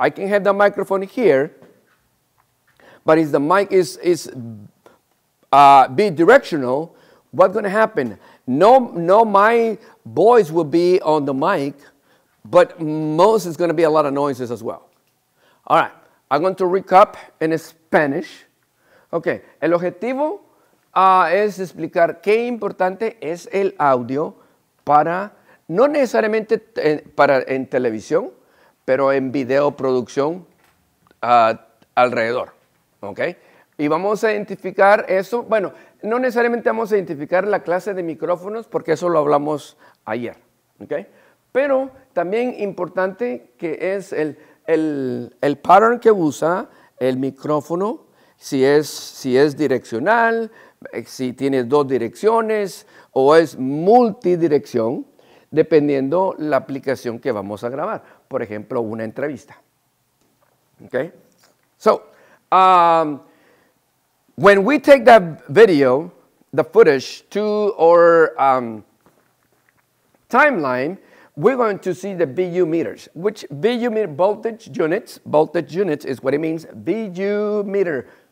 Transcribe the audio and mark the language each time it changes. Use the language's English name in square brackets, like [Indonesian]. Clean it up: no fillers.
[English] I can have the microphone here, but if the mic is bidirectional, what's going to happen? No, my voice will be on the mic, but most is going to be a lot of noises as well. All right, I'm going to recap in Spanish. [Spanish] Okay, el objetivo es explicar qué importante es el audio para, no necesariamente para en televisión, pero en video producción alrededor. Okay, y vamos a identificar eso. Bueno, no necesariamente vamos a identificar la clase de micrófonos porque eso lo hablamos ayer. Okay, pero también importante que es el pattern que usa el micrófono, si es direccional, si tiene dos direcciones o es multidirección, dependiendo la aplicación que vamos a grabar. Por ejemplo, una entrevista. Okay. [English] So, when we take that video, the footage, to our timeline, we're going to see the VU meters, which VU meter, voltage units is what it means, VU meter.